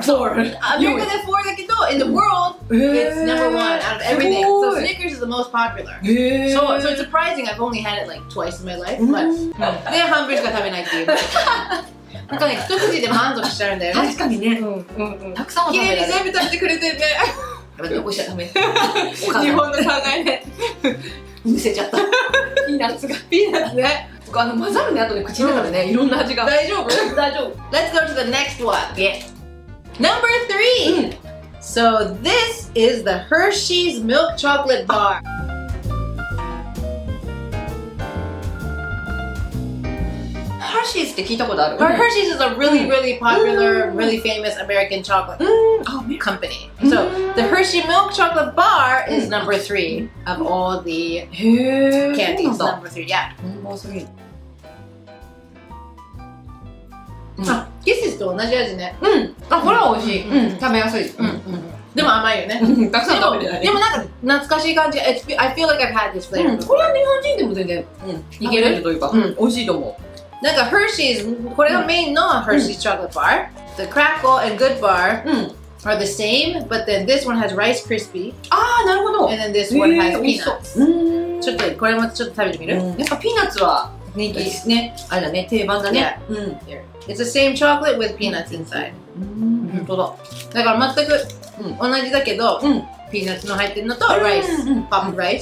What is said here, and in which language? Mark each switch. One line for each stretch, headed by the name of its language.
English: America is four,
Japanese: だけど
English: in the world、it's number one out of everything. So Snickers is the most popular.、So it's surprising. I've only had it like twice in my life. But
Japanese: で半分しか食べないっていう。なんかね、一口でも満足しちゃうんだよね。確かにね。うんうんうん、たくさんも食べられる。綺麗に全部食べてくれてるね。残しちゃダメ。日本の考えね。むせちゃった。ピーナッツが。ピーナッツね。あの混ざるね、あとで口の中でね、うん、いろんな味が。大丈夫大丈夫。
English: Let's go to the next one. Yeah. Number three.、
Japanese: うん、
English: so this is the Hershey's Milk Chocolate Bar.
Japanese: Hershey's って聞いたことある、
English: うん、Hershey's is a really, really popular,、うん、really famous American chocolate、
Japanese: うん、
English: company. So the Hershey Milk Chocolate Bar is number three of all the candies. Number three, yeah.、
Japanese: うん、もうすぐ。あ、キッシスと同じ味ね。うん、あ、これは美味しい、うん、食べやすい、うんうん、でも甘いよね。たくさん食べてない。でもなんか懐かしい感じ。
English: I feel like I've had this flavor、
Japanese: うん、これは日本人でも全然、うん、いける、食べれるというか、うん、美味しいと思う。なんか Hershey's、 これがメインの Hershey's Chocolate Bar、うん、The Crackle and Good Bar、うん、
English: are the same but then this one has Rice Krispie、
Japanese: あー、なるほど。
English: and then this one has peanuts、
Japanese: うん、ちょっとこれもちょっと食べてみる、うん、やっぱピーナッツは人気ですね。あれだね、定番だね、
English: yeah. うん、It's the same chocolate with peanuts inside.
Japanese: うん、本当だ。だから全く同じだけど、うん、ピーナッツの入ってるのと、ライス、うん、パンプライス。